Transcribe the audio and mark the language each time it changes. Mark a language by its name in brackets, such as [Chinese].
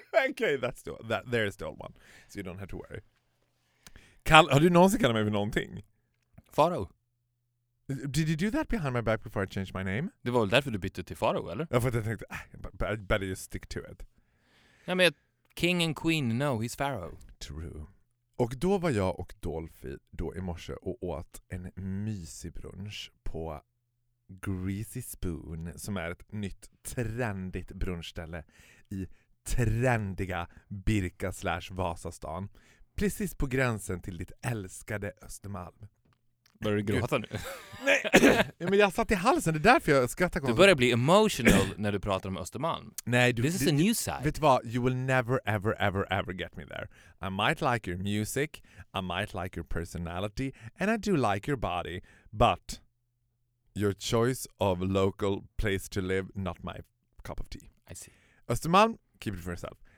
[English] Okay, that's still, there is the old one. So you don't have to worry. [Swedish] Har du någonsin kallat mig för någonting? Faro. [English] Did you do that behind my back before I changed my name? [Swedish] Det var väl därför du bytte till Faro, eller? Ja, för att jag tänkte, I better just stick to it. [English] Ja, men King and Queen, no, he's Pharaoh. True. [Swedish] Och då var jag och Dolphy då i morse och åt en mysig brunch på Greasy Spoon, som är ett nytt trendigt brunchställe i trendiga Birka / Vasastan. Precis på gränsen till ditt älskade Östermalm. Börjar du gråta nu? Nej, ja, men jag satt i halsen. Det är därför jag skrattar. Du börjar bli emotional när du pratar om Östermalm. Nej, [English] this is a new side. [Swedish] Vet du vad? [English] You will never, ever, ever, ever get me there. I might like your music. I might like your personality. And I do like your body. But your choice of local place to live, not my cup of tea. I see. Östermalm, keep it for yourself.